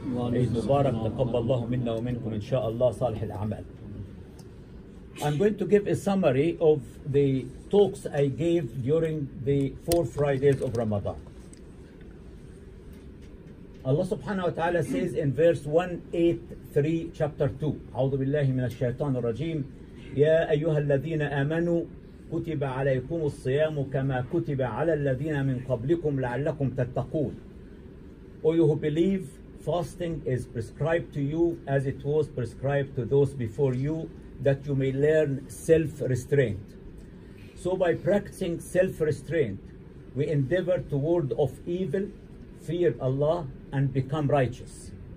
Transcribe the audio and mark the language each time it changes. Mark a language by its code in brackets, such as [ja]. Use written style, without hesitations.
[ar] عيد مبارك, تقبل الله منا ومنكم إن شاء الله صالح الأعمال. [en] I'm going to give a summary of the talks I gave during the four Fridays of Ramadan. Allah subhanahu wa ta'ala says in verse 183, chapter 2, [ar] أعوذ بالله من الشيطان الرجيم, يا أيها الذين آمنوا كتب عليكم الصيام كما كتب على الذين من قبلكم لعلكم تتقون. [en] O you who believe, fasting is prescribed to you as it was prescribed to those before you, that you may learn self-restraint. So by practicing self-restraint, we endeavor to ward off evil, fear Allah, and become righteous.